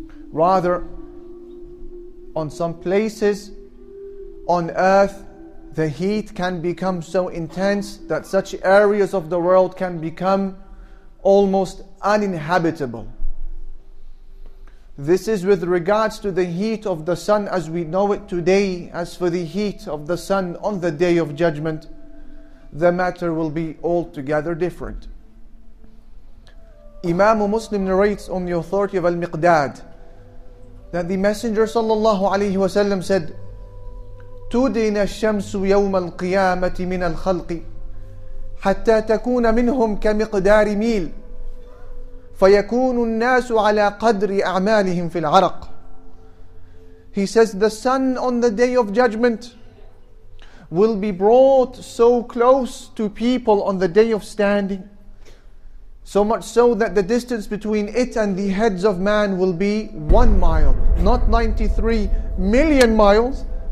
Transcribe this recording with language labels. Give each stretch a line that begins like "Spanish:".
English: Rather, on some places on Earth, the heat can become so intense that such areas of the world can become almost uninhabitable. This is with regards to the heat of the sun as we know it today. As for the heat of the sun on the Day of Judgment, the matter will be altogether different. Imam Muslim narrates on the authority of Al-Miqdad that the Messenger sallallahu alayhi wa sallam said,
Arabic: تدين الشمس يوم القيامة من الخلق حتى تكون منهم كمقدار ميل فيكون الناس على قدر أعمالهم في العرق.
English: He says, the sun on the Day of Judgment will be brought so close to people on the Day of Standing, so much so that the distance between it and the heads of man will be 1 mile, not 93 million miles.